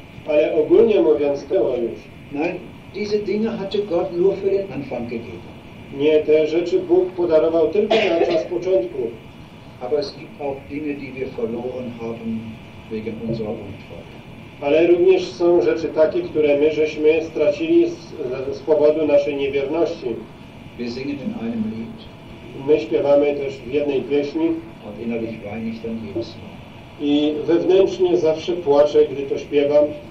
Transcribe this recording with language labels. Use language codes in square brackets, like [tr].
[pl] Ale ogólnie mówiąc, było już. [de] Nein, diese Dinge hatte Gott nur für den Anfang gegeben. [pl] Nie, te rzeczy Bóg podarował tylko na czas początku. [de] Aber es gibt auch Dinge, die wir verloren haben wegen unserer Untreue. [pl] Ale również są rzeczy takie, które my żeśmy stracili z powodu naszej niewierności. [de] Wir singen in einem Lied. [pl] My śpiewamy też w jednej pieśni. [de] Und innerlich weine ich dann jedes Mal. [pl] I wewnętrznie zawsze płaczę, gdy to śpiewam.